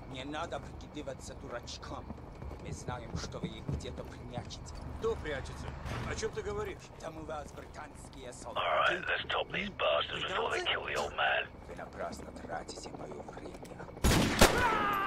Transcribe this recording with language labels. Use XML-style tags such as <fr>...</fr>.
<ru>Мне надо прикидываться дурачком. Мы знаем, что вы их где-то прячете. Кто прячется? О чем ты говоришь? Там у вас британские солдаты.</ru> <en>All right, let's stop these bastards before they kill the old man.</en> <ru>Вы напрасно тратите мое время.</ru>